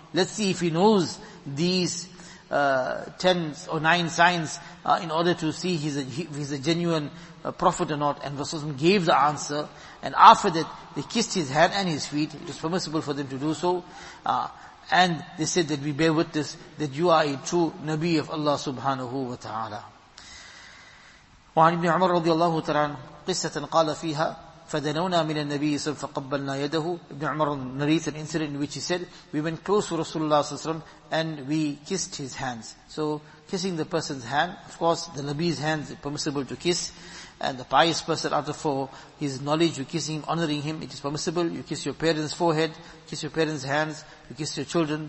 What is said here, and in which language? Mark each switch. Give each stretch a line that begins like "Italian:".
English: Let's see if he knows these 10 or 9 signs in order to see if he's a genuine prophet or not. And Rasulullah gave the answer. And after that, they kissed his hand and his feet. It was permissible for them to do so. And they said that we bear witness that you are a true Nabi of Allah subhanahu wa ta'ala.
Arabic: وعن ابن عمر رضي الله تعالى قصة قال فيها فدنونا من النبي صلى الله عليه وسلم فقبلنا يده.
English: Ibn Umar narrates an incident in which he said, we went close to Rasulullah صلى الله عليه وسلم and we kissed his hands. So kissing the person's hand, of course the Nabi's hands is permissible to kiss. And the pious person, out of his knowledge, you kissing him, honoring him, it is permissible. You kiss your parents' forehead, kiss your parents' hands, you kiss your children.